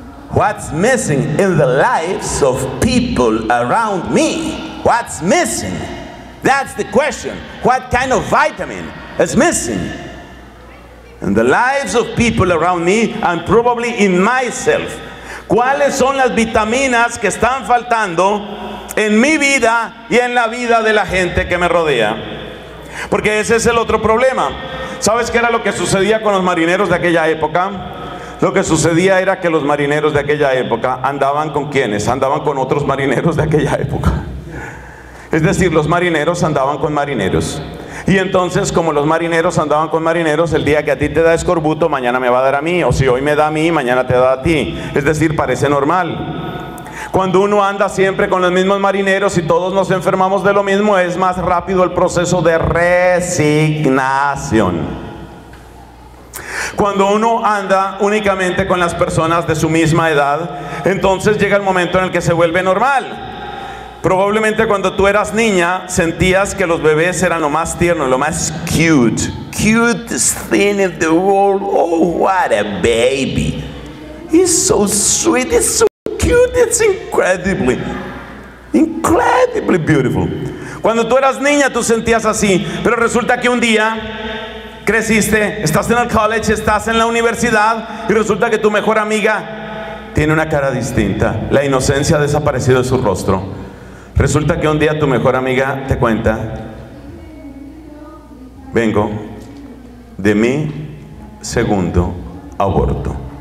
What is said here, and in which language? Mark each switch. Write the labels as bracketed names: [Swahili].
[English] What's missing in the lives of people around me? What's missing? That's the question. What kind of vitamin is missing in the lives of people around me and probably in myself? [Spanish] ¿Cuáles son las vitaminas que están faltando en mi vida y en la vida de la gente que me rodea? Porque ese es el otro problema. ¿Sabes qué era lo que sucedía con los marineros de aquella época? Lo que sucedía era que los marineros de aquella época andaban con ¿quiénes? Andaban con otros marineros de aquella época. Es decir, los marineros andaban con marineros. Y entonces, como los marineros andaban con marineros, el día que a ti te da escorbuto, mañana me va a dar a mí. O si hoy me da a mí, mañana te da a ti. Es decir, parece normal. Cuando uno anda siempre con los mismos marineros y todos nos enfermamos de lo mismo, es más rápido el proceso de resignación. Cuando uno anda únicamente con las personas de su misma edad, entonces llega el momento en el que se vuelve normal. Probablemente cuando tú eras niña, sentías que los bebés eran lo más tierno, lo más cute. [English] Cutest thing in the world. Oh, what a baby. He's so sweet, he's so cute, it's incredibly, incredibly beautiful. [Spanish] Cuando tú eras niña, tú sentías así, pero resulta que un día creciste, estás en el college, estás en la universidad, y resulta que tu mejor amiga tiene una cara distinta. La inocencia ha desaparecido de su rostro. Resulta que un día tu mejor amiga te cuenta, vengo de mi segundo aborto.